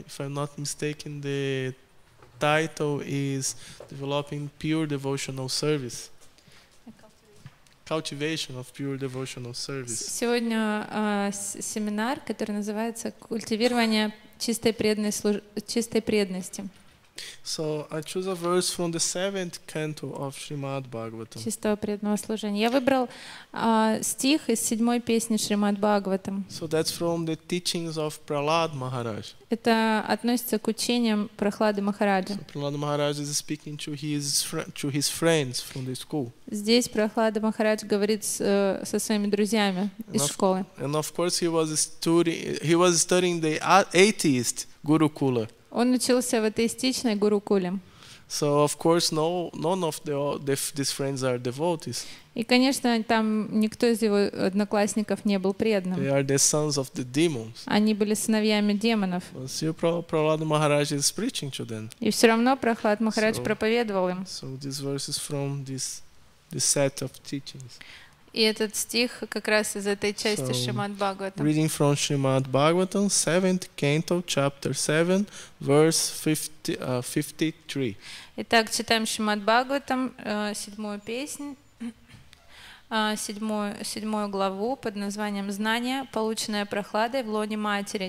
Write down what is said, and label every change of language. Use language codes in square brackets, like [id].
[en] If I'm not mistaken, the title is Developing Pure Devotional Service. Cultivation of Pure Devotional Service. [ru] Сегодня семинар, который называется «Культивирование чистой преданности». [en] So I choose a verse from the seventh canto of Srimad Bhagavatam. [ru] Чистого преданного служения. Я выбрал стих из седьмой песни Шримад Бхагаватам. [en] So that's from the teachings of Prahlad Maharaj. [ru] Это относится к учениям Прахлады Махараджа. [en] So Prahlad Maharaj is speaking to his friends from the school. [ru] Здесь Прахлада Махарадж говорит со своими друзьями из школы. [en] And of course he was studying the atheist Gurukula. [ru] Он учился в атеистичной гурукуле. [en] So of course none of these friends are devotees. [ru] И конечно там никто из его одноклассников не был преданным. [en] They are the sons of the demons. [ru] Они были сыновьями демонов. [en] Prahlad Maharaj is preaching to them. [ru] И все равно Прахлад Махарадж проповедовал им. [en] So this verse is from this set of teachings. [ru] И этот стих как раз из этой части Шримад Бхагаватам. [en] Reading from Shrimad Bhagavatam, 7th canto, chapter 7, verse 53. [ru] Итак, читаем Шримад Бхагаватам, седьмую песнь, седьмую главу под названием «Знание, полученное прохладой в лоне матери».